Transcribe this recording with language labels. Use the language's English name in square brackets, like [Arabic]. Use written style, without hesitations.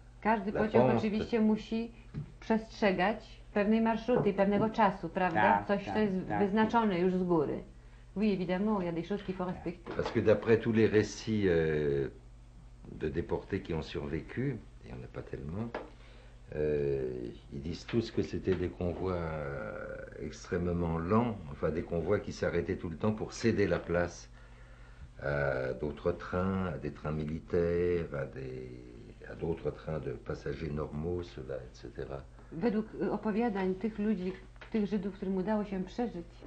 [Polish] Każdy pociąg oczywiście musi przestrzegać pewnej marszruty, pewnego czasu, prawda? Coś, co jest wyznaczone już z góry. [French] Oui, évidemment, il y a des choses qu'il faut respecter. Parce que d'après tous les récits de déportés qui ont survécu, il n'y en a pas tellement. Ils disent tous que c'était des convois extrêmement lents, enfin des convois qui s'arrêtaient tout le temps pour céder la place à d'autres trains, à des trains militaires, à d'autres trains de passagers normaux, cela, etc. [Polish] Według opowiadań tych ludzi, tych Żydów, którym udało się przeżyć.